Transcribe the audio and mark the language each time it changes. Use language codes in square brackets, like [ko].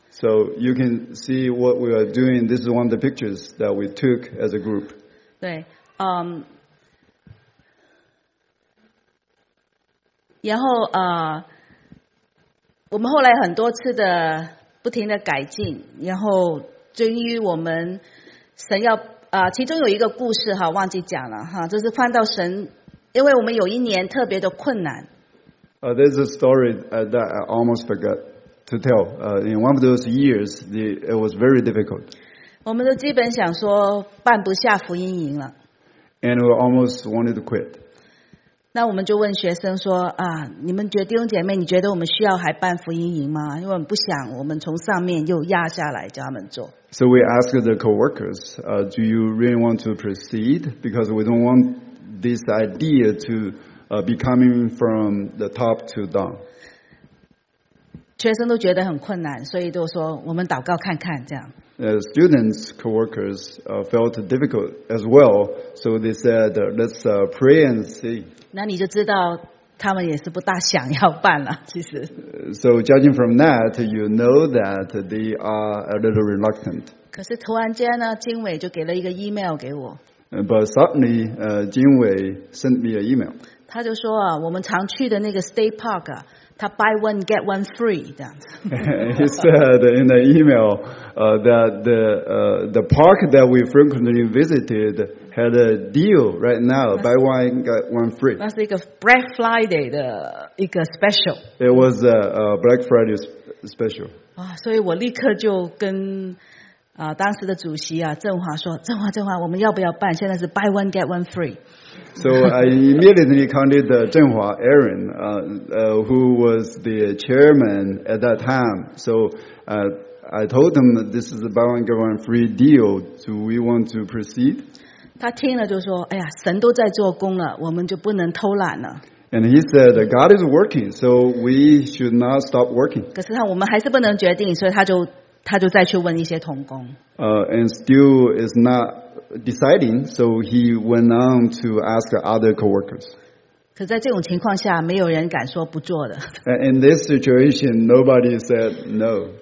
[en] So you can see what we are doing. This is one of the pictures that we took as a group. [zh] 对，然后我们后来很多次的不停的改进，然后终于我们神要其中有一个故事哈，忘记讲了哈，就是看到神，因为我们有一年特别的困难。 [en] There's a story that I almost forgot. To tell, in one of those years, it was very difficult. [zh] 我们都基本想说办不下福音营了。 [en] and we almost wanted to quit. [zh] 那我们就问学生说啊，你们觉得弟兄姐妹，你觉得我们需要还办福音营吗？因为我们不想我们从上面又压下来叫他们做。 [en] So we asked the coworkers, do you really want to proceed? Because we don't want this idea to be coming from the top to down. [zh] 学生都觉得很困难，所以都说我们祷告看看这样。 [en] Students, coworkers felt difficult as well, so they said, "Let's pray and see." [zh] 那你就知道他们也是不大想要办了，其实。 [en] So judging from that, you know that they are a little reluctant. [zh] 可是突然间呢，经纬就给了一个 email 给我。 [en] But suddenly, 经纬 sent me an email. [zh] 他就说啊，我们常去的那个 State Park 啊。他 buy one get one free 这样子。 [en] He said in the email that the park that we frequently visited had a deal right now buy one get one free. [zh] 那是一个 Black Friday 的一个 special. [en] It was a Black Friday special. [zh] 啊，所以我立刻就跟当时的主席啊郑华说，郑华郑华，我们要不要办？现在是 buy one get one free。 [en] So I immediately contacted Zheng Hua Aaron, who was the chairman at that time. So I told him that this is a buy one get one free deal. Do we want to proceed? [zh] 他听了就说，哎呀，神都在做工了，我们就不能偷懒了。 [en] And he said, God is working, so we should not stop working. [zh] 可是他我们还是不能决定，所以他就再去问一些同工。 [en] And still is not. Deciding, so he went on to ask other coworkers. [zh] 可在这种情况下，没有人敢说不做的。 [en] In this situation, nobody said no.